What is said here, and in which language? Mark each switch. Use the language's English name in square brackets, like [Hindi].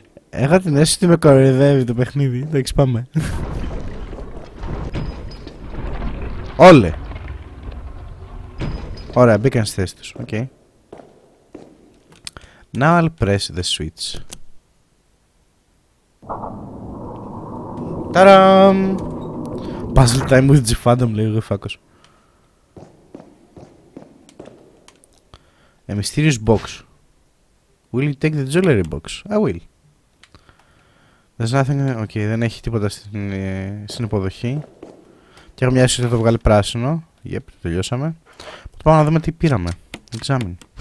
[Greek] Έχω την αίσθηση ότι με κοροϊδεύει το παιχνίδι. Εντάξει, πάμε. Όλε! Ωραία, μπήκαν στις θέσεις τους. Οκ. Okay. [English] Now I'll press the switch. Ταραμ! Puzzle time with G-Fandom, [Greek] λέει ο Γεφάκος. [English] A mysterious box. Will you take the jewelry box? I will. There's nothing... [Greek] Οκ, δεν έχει τίποτα στην υποδοχή. Και έχω μια αίσθηση ότι θα το βγάλει πράσινο. Yep, τελειώσαμε. Πάμε να δούμε τι πήραμε. Examine.